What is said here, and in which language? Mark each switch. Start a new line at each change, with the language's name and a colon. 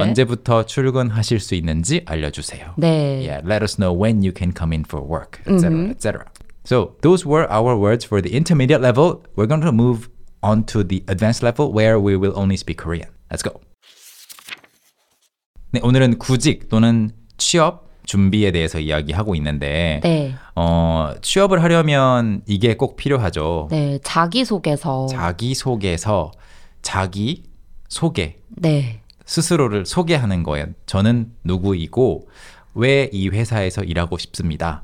Korean: 언제부터 출근하실 수 있는지 알려주세요. 네.
English: Yeah, let us know when you can come in for work, etc., etc. So those were our words for the intermediate level. We're going to move on to the advanced level where we will only speak Korean. Let's go.
Korean: 네, 오늘은 구직 또는 취업 준비에 대해서 이야기하고 있는데 네. 취업을 하려면 이게 꼭 필요하죠. 네, 자기소개서. 자기소개서, 자기소개. 네. 스스로를 소개하는 거예요. 저는 누구이고 왜 이 회사에서 일하고 싶습니다.